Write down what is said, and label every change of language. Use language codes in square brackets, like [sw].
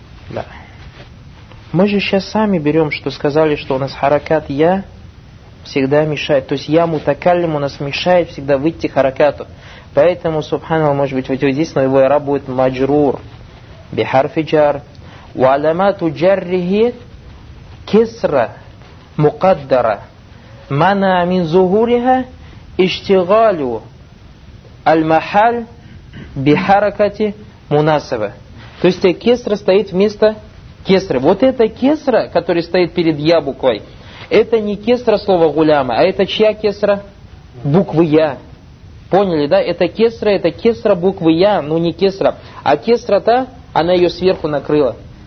[ru] Да. Мы же сейчас сами берем, что сказали, что у нас харакат «я» всегда мешает. То есть «я» мутакалим у нас мешает всегда выйти харакату. Поэтому, субханал, может быть, вот здесь, но его «ра» будет «маджрур» би харфи джар. [ar] «Ва аламату джаррихи кесра». مقدرة منع من ظهورها اشتغال المحل بحركة مناسبة. [ru] То есть кесра стоит вместо кесры. Вот эта кесра, которая стоит перед я буквой, это не кесра слова гуляма, а это чья кесра? Буквы я. Поняли, да? Это кесра буквы я, но не кесра. А кесра та, она ее сверху накрыла.